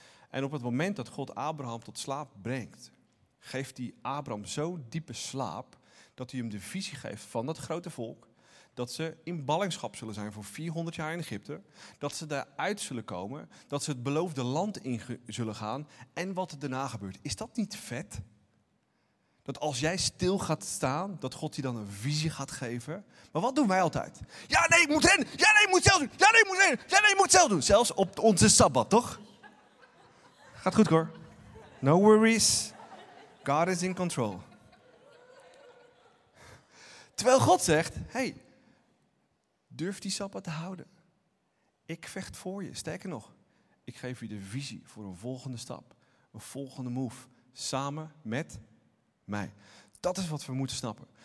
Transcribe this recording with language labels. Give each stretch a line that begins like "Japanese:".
Dutch: En op het moment dat God Abraham tot slaap brengt, geeft hij Abraham zo diepe slaap, dat hij hem de visie geeft van dat grote volk, dat ze in ballingschap zullen zijn voor 400 jaar in Egypte, dat ze daaruit zullen komen, dat ze het beloofde land in zullen gaan, en wat er daarna gebeurt. Is dat niet vet? Dat als jij stil gaat staan, dat God je dan een visie gaat geven. Maar wat doen wij altijd? Ja, nee, ik moet rennen. Ja, nee, ik moet zelf doen. Ja, nee, ik moet rennen. Ja, nee, ik moet zelf doen. Zelfs op onze Sabbat, toch? Gaat goed, hoor.
English: No worries. God is in control.
Dutch: Terwijl God zegt, hey, durf die sabbat te houden. Ik vecht voor je. Sterker nog, ik geef je de visie voor een volgende stap. Een volgende move. Samen met mij. Dat is wat we moeten snappen.